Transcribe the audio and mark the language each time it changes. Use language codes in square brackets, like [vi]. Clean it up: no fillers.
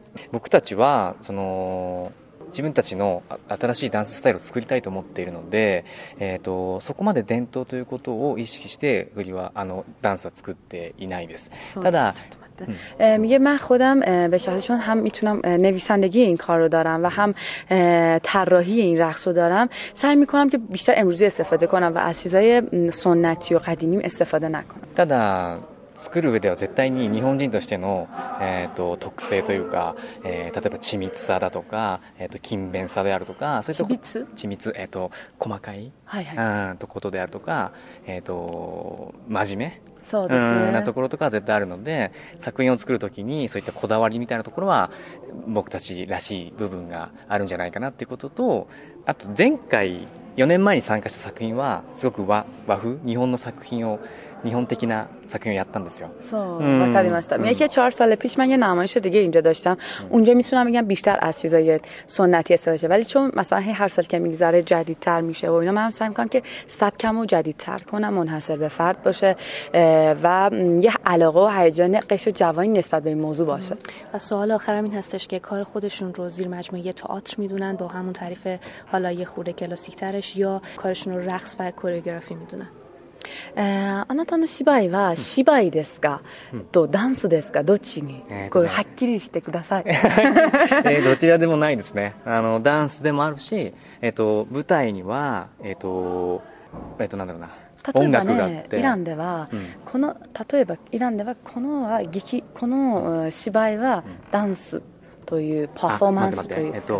[ja] 僕たちはその自分たちの新しいダンススタイルを作りたいと思っているので、そこまで伝統ということを意識して振りはあのダンスは作っていないです。ただ、 [fa] میگه من خودم به شخصشون هم میتونم نویسندگی این کار رو دارم و هم طراحی این رقص رو دارم، سعی میکنم که بیشتر امروزی استفاده کنم و از چیزای سنتی و قدیمی استفاده نکنم. [ja] ただ作る上では絶対に日本人としての、特性というか、例えば緻密さだとか、勤勉さであるとか、そういった緻密、細かい、はいはい、とことであるとか、真面目そうですね、なところとかは絶対あるので、作品を作るときにそういったこだわりみたいなところは僕たちらしい部分があるんじゃないかなっていうことと、あと前回4年前に参加した作品はすごく 和風日本の作品を日本的な作品をやったんですよ。そう、わかりました。 [fa] میگه که 4 سال پیش من یه نمایش دیگه اینجا داشتم. اونجا میتونم بگم بیشتر از چیزای سنتی استفاده شده، ولی چون مثلا هر سال که میگذره جدیدتر میشه و اینا، من هم سعی میکنم که سبکمو جدیدتر کنم، منحصر به فرد باشه و یه علاقه و هیجان قشر جوانی نسبت به این موضوع باشه. و سوال آخرم این هستش که کار خودشون رو زیر مجموعه تئاتر میدونن با همون تعریف حالا یه خورده کلاسیک ترش، یا کارشون رو رقص و کوریوگرافی میدونن؟ [ja] あなたの芝居は芝居ですか、とダンスですか、どっちに、これはっきりしてください。どちらでもないですね。あのダンスでもあるし、舞台には何だろうな、例えばね、イランでは、この例えばイランではこの劇、この芝居はダンスというパフォーマンスという、